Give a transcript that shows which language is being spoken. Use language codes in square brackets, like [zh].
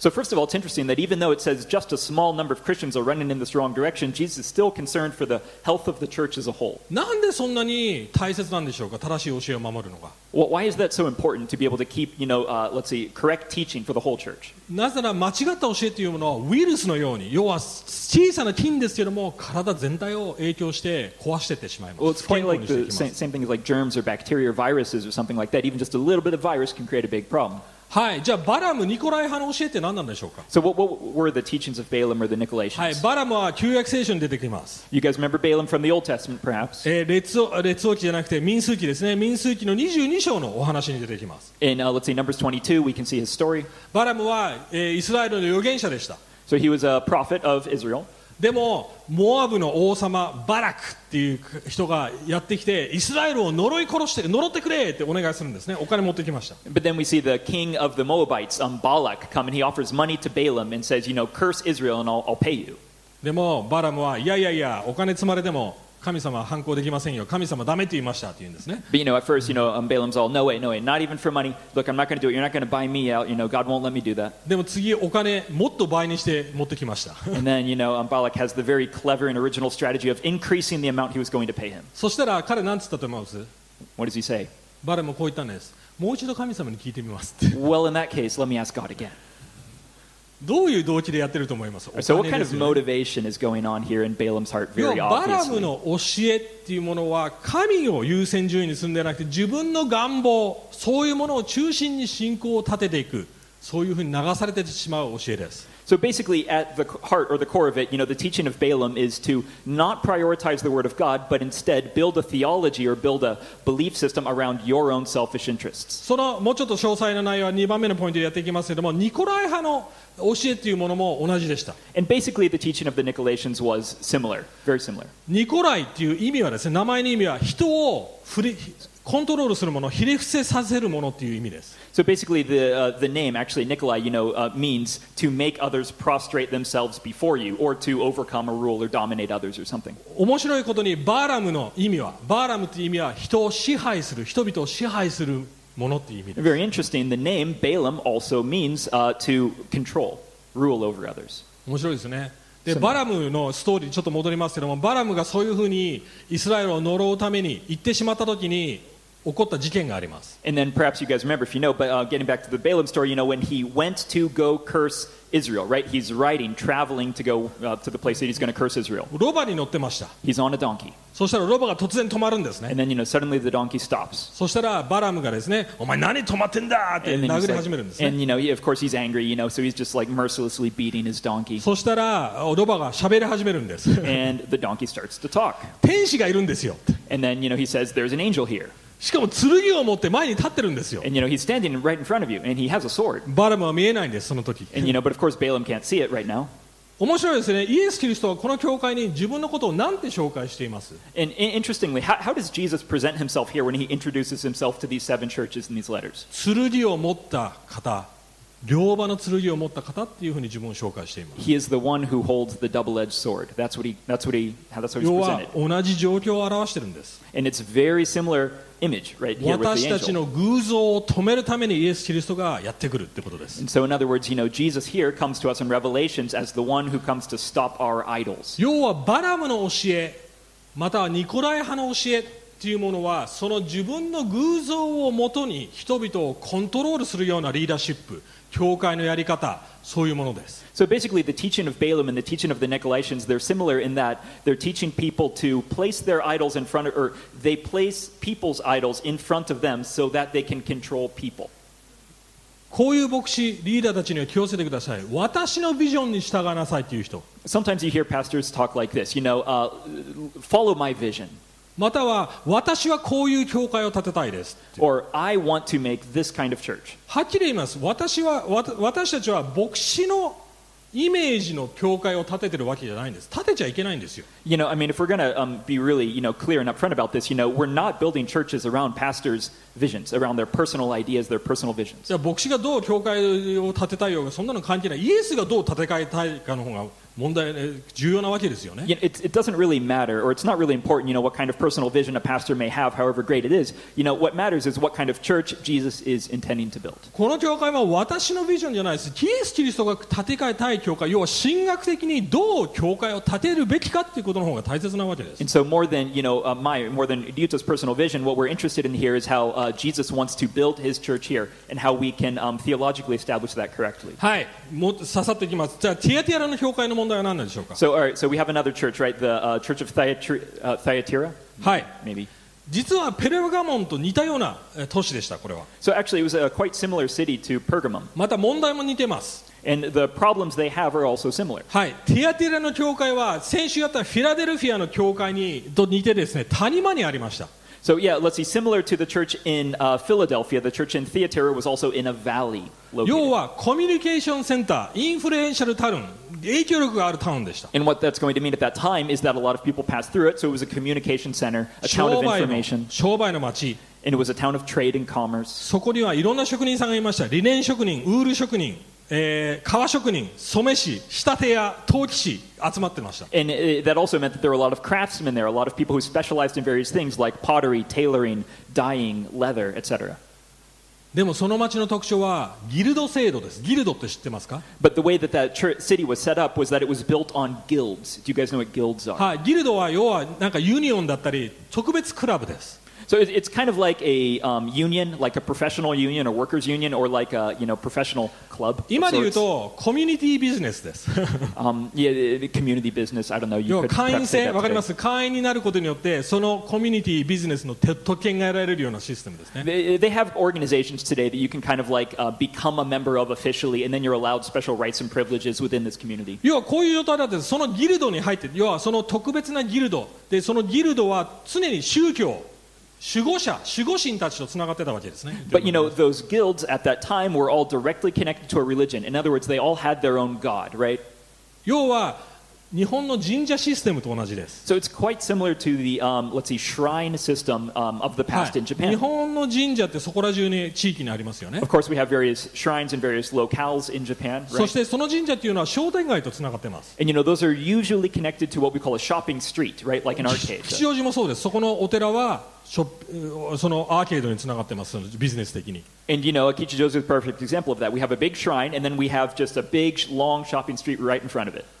[en] So first of all, it's interesting that even though it says just a small number of Christians are running in this wrong direction, Jesus is still concerned for the health of the church as a whole. [ja] なんでそんなに大切なんでしょうか、正しい教えを守るのが。 [en] Well, why is that so important to be able to keep, you know, let's see, correct teaching for the whole church? [ja] なぜなら間違った教えというものはウイルスのように、要は小さな菌ですけども体全体を影響して壊していってしまいます。 [en] Well, it's quite like the same thing as like germs or bacteria or viruses or something like that. Even just a little bit of virus can create a big problem. [ja] はい、じゃあバラム、ニコライ派の教えって何なんでしょうか? [en] So what were the teachings of Balaam or the Nicolaitans? [ja] はい、バラムは旧約聖書に出てきます。 [en] You guys remember Balaam from the Old Testament, perhaps? [ja] 列王記じゃなくて民数記ですね。民数記の22章のお話に出てきます。 [en] In, let's see, Numbers 22, we can see his story. [ja] バラムは、イスラエルの預言者でした。 [en] So he was a prophet of Israel. [ja] でもモアブの王様バラクっていう人がやってきてイスラエルを呪い殺して呪ってくれってお願いするんですね。お金持ってきました。 [en] But then we see the king of the Moabites, Balak, come and he offers money to Balaam and says, you know, curse Israel and I'll pay you. [ja] でもバラムはいやいやいや、お金積まれても神様は反抗できませんよ。神様ダメって言いましたって言うんですね。 [en] But you know, at first, you know, Balaam's all, no way, no way, not even for money. Look, I'm not going to do it. You're not going to buy me out. You know, God won't let me do that. [ja] でも次お金もっと倍にして持ってきました。 [en] And then, you know, Balak has the very clever and original strategy of increasing the amount he was going to pay him. [ja] そしたら彼何つったと思います? [en] What does he say? [ja] バラムこう言ったんです。もう一度神様に聞いてみます。 [en] Well, in that case, let me ask God again. [ja] どういう動機でやってると思います? [en] So what kind of motivation is going on here in Balaam's heart very obviously? [ja] バラムの教えっていうものは神を優先順位にするんではなくて自分の願望、そういうものを中心に信仰を立てていく。そういうふうに流されてしまう教えです。 [en] So basically at the heart or the core of it, you know, the teaching of Balaam is to not prioritize the word of God, but instead build a theology or build a belief system around your own selfish interests. [ja] そのもうちょっと詳細な内容は2番目のポイントでやっていきますけども、ニコライ派の教えというものも同じでした。 [en] And basically the teaching of the Nicolaitans was similar, very similar. [ja] ニコライという意味はですね、名前の意味は人を振り…コントロールするもの、ひれ伏せさせるものという意味です。 [en] So basically the name actually Nikolai, you know, means to make others prostrate themselves before you or to overcome or rule or dominate others or something. [ja] 面白いことにバラムの意味は、バラムという意味は人を支配する、人々を支配するものという意味です。 [en] Very interesting. The name Balaam also means to control, rule over others. [ja] 面白いですね。でバラムのストーリーにちょっと戻りますけども、バラムがそういうふうにイスラエルを呪うために行ってしまった時に起こった事件があります。 [en] And then perhaps you guys remember if you know, but getting back to the Balaam story, you know, when he went to go curse Israel, right? He's riding, traveling to go to the place that he's going to curse Israel. [ja] ロバに乗ってました。 [en] He's on a donkey. [ja] そしたらロバが突然止まるんですね。 [en] And then, you know, suddenly the donkey stops. [ja] そしたらバラムがですね、お前何止まってんだって殴り始めるんですね。 [en] And, you know, of course he's angry, you know, so he's just like mercilessly beating his donkey. [ja] そしたらロバが喋り始めるんです。 [en] And the donkey starts to talk. [ja] 天使がいるんですよ。 [en] And then, you know, he says, there's an angel here. [ja] しかも剣を持って前に立ってるんですよ。 [en] And you know, he's standing right in front of you, and he has a sword. [ja] バラムは見えないんです、その時。 [en] And you know, but of course Balaam can't see it right now. [ja] 面白いですね。イエス・キリストはこの教会に自分のことを何て紹介しています? [en] And interestingly, how does Jesus present himself here when he introduces himself to these seven churches in these letters? 剣を持った方、両刃の剣を持った方っていうふうに自分を紹介しています。 He is the one who holds the double-edged sword. That's what he's presented. [ja] 要は同じ状況を表してるんです。 [en] And it's very similar. Image, right, here with the angel. [ja] 私たちの偶像を止めるためにイエス・キリストがやってくるってことです。 [en] And so in other words, you know, Jesus here comes to us in Revelations as the one who comes to stop our idols. [ja] 要はバラムの教え、またはニコライ派の教えというものは、その自分の偶像をもとに人々をコントロールするようなリーダーシップ、教会のやり方、そういうものです。 [en] So basically, the teaching of Balaam and the teaching of the Nicolaitans, they're similar in that they're teaching people to place their idols in front of, or they place people's idols in front of them so that they can control people. [ja] こういう牧師、リーダーたちには気をつけてください。私のビジョンに従いなさいという人。 [en] Sometimes you hear pastors talk like this, you know, follow my vision. [ja] または私はこういう教会を建てたいです。 [en] Or I want to make this kind of church. [ja] はっきり言います。私たちは牧師のイメージの教会を建ててるわけじゃないんです。建てちゃいけないんですよ。 [en] You know, I mean, if we're gonna be really, you know, clear and upfront about this, you know, we're not building churches around pastors' visions, around their personal ideas, their personal visions. [ja] じゃあ牧師がどう教会を建てたいようがそんなの関係ない。イエスがどう建て替えたいかの方が。問題重要なわけですよね。 [en] It doesn't really matter, or it's not really important, you know, what kind of personal vision a pastor may have, however great it is. You know, what matters is what kind of church Jesus is intending to build. [ja] この教会は私のビジョンじゃないです。イエス・キリストが建て替えたい教会、要は神学的にどう教会を建てるべきかっていうことの方が大切なわけです。 [en] And so more than, you know, more than Ryuta's personal vision, what we're interested in here is how Jesus wants to build his church here and how we can theologically establish that correctly. [ja] はい、もっと刺さっていきます。じゃあ、ティアティアラの教会の問題は何なんでしょうか? [en] So, all right, so we have another church, right? The Church of Thyatira? [ja] はい。 [en] Maybe. [ja] 実はペルガモンと似たような都市でした、これは。 [en] So actually, it was a quite similar city to Pergamum. [ja] また問題も似てます。 [en] And the problems they have are also similar. [ja] はい。ティアティラの教会は、先週やったフィラデルフィアの教会にと似てですね、谷間にありました。 [en] So yeah, let's see, similar to the church in Philadelphia, the church in Thyatira was also in a valley located. [ja] 要はコミュニケーションセンター、インフルエンシャルタウン、影響力があるタウンでした。 [en] And what that's going to mean at that time is that a lot of people passed through it, so it was a communication center, a town of information. [ja] 商売の街。 [en] And it was a town of trade and commerce. [ja] そこにはいろんな職人さんがいました。リネン職人、ウール職人。革職人、染め師、仕立て屋、陶器師、集まってました。 [en] And that also meant that there were a lot of craftsmen there, a lot of people who specialized in various things like pottery, tailoring, dyeing, leather, etc. [ja] でもその町の特徴はギルド制度です。ギルドって知ってますか? [en] But the way that that city was set up was that it was built on guilds. Do you guys know what guilds are? [ja] はい、ギルドは要はなんかユニオンだったり特別クラブです。 [en] So it's kind of like a union, like a professional union, a workers union, or like a, you know, professional club. [ja] 今で言うとコミュニティビジネスです。 [en] yeah, community business. I don't know. [ja] You 会員制、わかります。会員になることによってそのコミュニティビジネスの特権が得られるようなシステムですね。 [en] They have organizations today that you can kind of like become a member of officially, and then you're allowed special rights and privileges within this community. [ja] 要はこういう状態だって、そのギルドに入って、要はその特別なギルドで、そのギルドは常に宗教 [en] But you know, those guilds at that time were all directly connected to a religion. In other words, they all had their own god, right? [ja] 要は日本の神社システムと同じです。 [en] So it's quite similar to the, let's see, shrine system of the past in Japan. [ja] 日本の神社ってそこら中に地域にありますよね。 [en] Of course, we have various shrines and various locales in Japan, right? [ja] そしてその神社っていうのは商店街とつながってます。 [en] And you know, those are usually connected to what we call a shopping street, right? Like an arcade. [ja] 吉祥寺もそうです。そこのお寺はそのアーケードにつながってます、ビジネス的に。 [en] And you know, Akichijoji is a perfect example of that. We have a big shrine, and then we have just a big, long shopping street right in front of it.